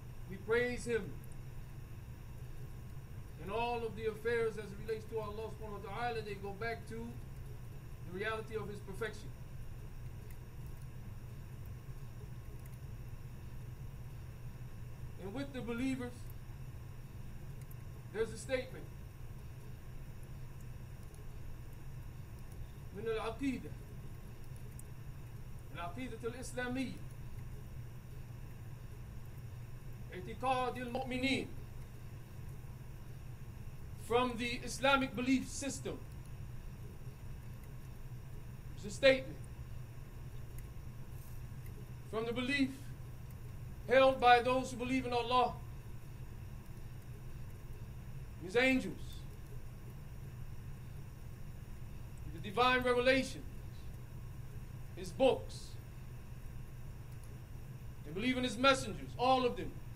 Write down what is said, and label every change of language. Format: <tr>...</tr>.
<en>We praise Him in all of the affairs as it relates to Allah subhanahu wa ta'ala. They go back to the reality of His perfection. And with the believers, there's a statement.</en> <ar>من العقيدة العقيدة الإسلامية اعتقاد المؤمنين.</ar> <en>From the Islamic belief system, it's a statement. From the belief held by those who believe in Allah, His angels, the divine revelations, His books, they believe in His messengers, all of them.</en>